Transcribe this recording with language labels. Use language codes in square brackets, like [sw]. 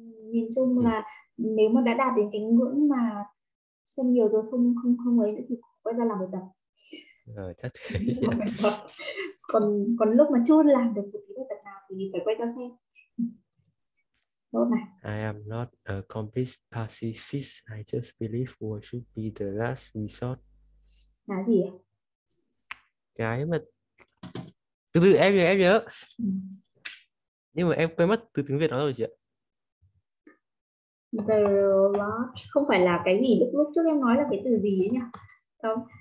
[vi] Nhìn chung là nếu mà đã đạt đến cái ngưỡng mà xem nhiều rồi không không không ấy nữa thì quay ra làm một tập. Ờ, chắc Làm thế một tập. Còn còn lúc mà chưa làm được một cái tập nào thì phải quay ra xem. Tốt này. [en] am not a complete pacifist. I just believe war should be the last [vi] Là gì ạ? cái mà từ từ em nhớ nhưng mà em quên mất từ tiếng Việt nó rồi chị ạ. [en] The last, [vi] không phải là cái gì lúc lúc trước em nói là cái từ gì ấy nhỉ? Không.